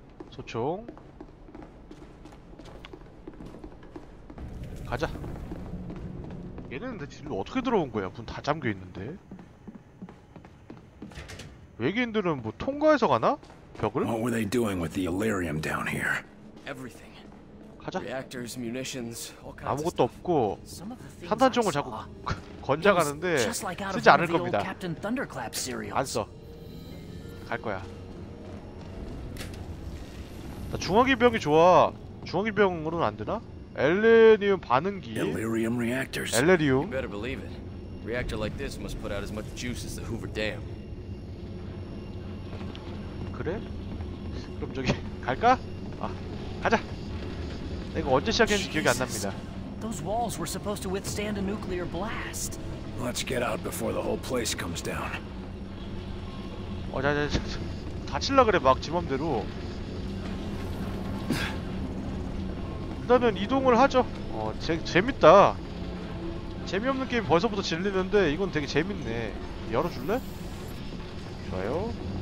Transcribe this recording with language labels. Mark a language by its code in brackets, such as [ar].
[ko] 소총. 가자. 얘네는 대체 일로 어떻게 들어온 거야? 문 다 잠겨 있는데. 외계인들은 뭐 통과해서 가나? 벽을? [en] What were they doing with the Illyrium down here? Everything. [ko] 가자. [en] Reactors, munitions, all kinds. [ko] 아무것도 없고 탄탄총을 자꾸 건져가는데 쓰지 않을 겁니다. 안 써. 갈 거야. 나 중화기 병이 좋아. 중화기 병으로는 안 되나? 엘레니움 반응기. [en] Illyrium reactors. [ko] 엘레리움. [en] You better believe it. Reactor like this must put out as much juice as the Hoover Dam. [ko] 그래? 그럼 저기 갈까? 아, 가자. 내가 언제 시작했는지 기억이 안 납니다. [en] Those walls were supposed to withstand a nuclear blast. Let's get out before the whole place comes down. [ko] 어, 자. 다칠라 그래 막 지 맘대로. 일단은 이동을 하죠. 어, 재밌다. 재미없는 게임 벌써부터 질리는데 이건 되게 재밌네. 열어줄래? 좋아요.